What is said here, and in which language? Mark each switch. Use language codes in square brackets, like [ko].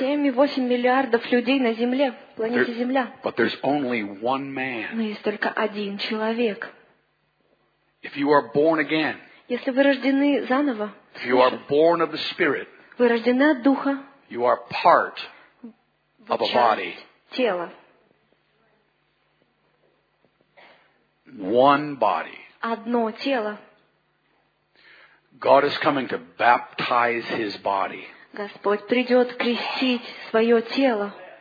[ru] 7,8 миллиардов людей на Земле, планете Земля. [en] But there's only one man. [ru] Но есть только один человек. [en] If you are born again, [ru] если вы рождены заново, [en] if you are born of the Spirit, [ru] вы рождены от Духа, [en] you are part of a body. [ru] Тело. [en] One body. [ru] Одно тело. [en] God is coming to baptize His body. [ru] Господь придет крестить свое тело.